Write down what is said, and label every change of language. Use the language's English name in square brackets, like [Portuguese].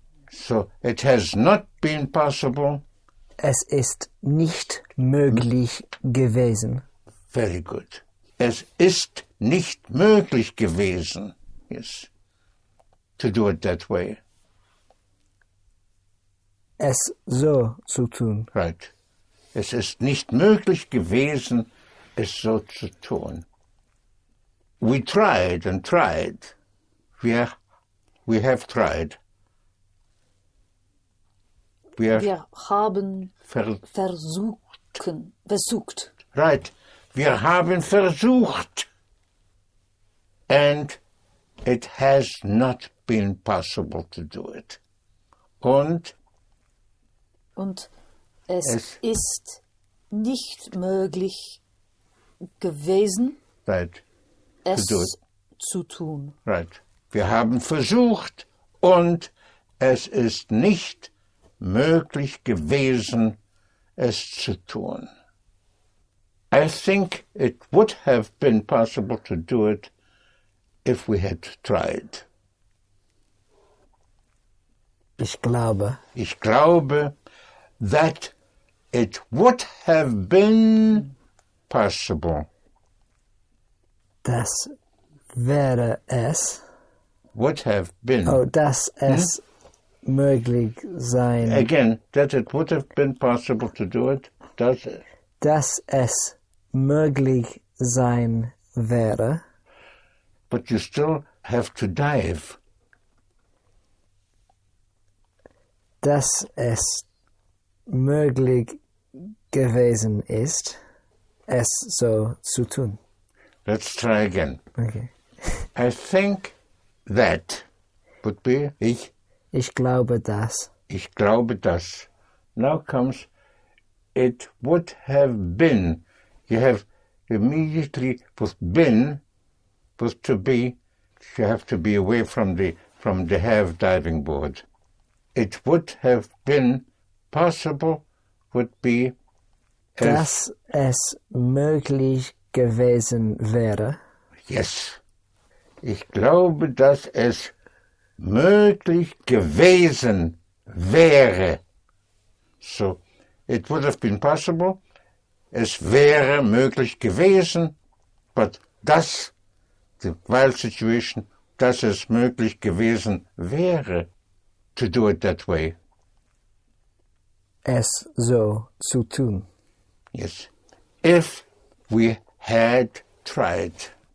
[English] So, it has not been possible. [German] Es ist nicht möglich gewesen. [English] Very good. [German] Es ist nicht möglich gewesen, [English] yes, to do it that way. [German] Es so zu tun. [English] Right. [German] Es ist nicht möglich gewesen, es so zu tun. [English] We tried and tried. We have tried. We have [German] Wir haben versucht. Right. Wir haben versucht. [English] And it has not been possible to do it. [German] Und Und es es ist nicht möglich gewesen, [English] right to do it. [German] es zu tun. [English] Right. [German] Wir haben versucht und es ist nicht möglich gewesen, es zu tun. [English] I think it would have been possible to do it if we had tried. [German] Ich glaube. Ich glaube, [English] that it would have been possible. [German] Das wäre es, [English] Would have oh, been. [German] dass es möglich sein, [English] Again, that it would have been possible to do it, does it? [German] dass es möglich sein wäre. [English] But you still have to dive. [German] Dass es möglich gewesen ist, es so zu tun. [English] Let's try again. Okay. I think that would be ich. [German] Ich glaube das. Ich glaube das. [English] Now comes it would have been. You have immediately with been, with to be, you have to be away from the have diving board. It would have been possible would be [German] dass es möglich gewesen wäre. [English] Yes. [German] Ich glaube, dass es möglich gewesen wäre. [English] So, it would have been possible. [German] Es wäre möglich gewesen. [English] But [German] das, [English] the while situation, [German] dass es möglich gewesen wäre, [English] to do it that way. [German] Es so zu tun. [English] Yes. If we had tried.